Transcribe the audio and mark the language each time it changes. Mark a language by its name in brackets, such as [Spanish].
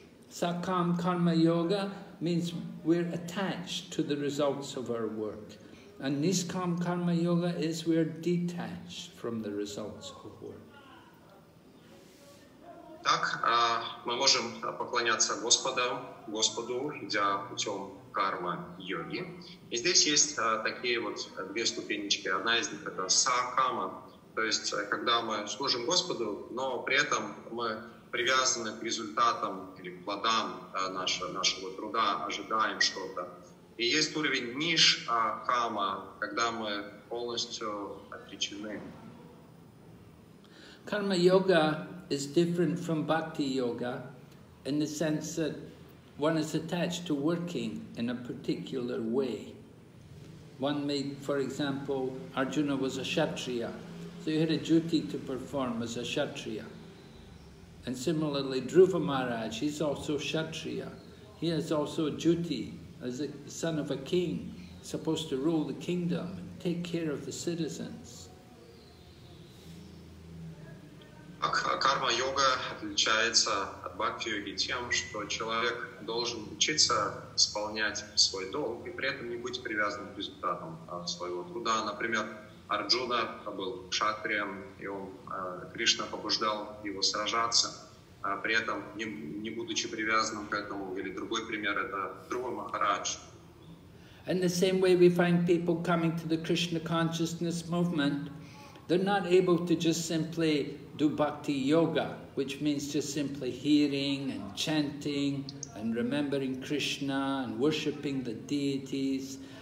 [English] Sakam karma yoga means we're attached to the results of our work, and niskam karma yoga is we're detached from the results of work. [Russian] Так мы можем поклоняться Господу, идя путем карма-йоги. И здесь есть такие вот две ступенечки. Одна из них — это са-кама, то есть когда мы служим Господу, но при этом мы привязаны к результатам или к плодам нашего труда, ожидаем что-то. И есть уровень ниш-кама, когда мы полностью отречены. [English] Карма-йога is different from bhakti yoga in the sense that one is attached to working in a particular way. One may, for example, Arjuna was a kshatriya, so he had a duty to perform as a kshatriya. And similarly, Dhruva Maharaj, he's also kshatriya. He has also a duty as a son of a king, supposed to rule the kingdom and take care of the citizens. [Russian] Карма-йога отличается от бхакти-йоги тем, что человек должен учиться исполнять свой долг и при этом не быть привязанным к результатам своего труда. Например, Арджуна был кшатрием, и он, Кришна побуждал его сражаться, при этом не будучи привязанным к этому. Или другой пример — это Дхрува Махарадж. [English] In the same way we find people coming to the Krishna consciousness movement, they're not able to just simply do bhakti yoga, which means just simply hearing and chanting and remembering Krishna and worshipping the deities.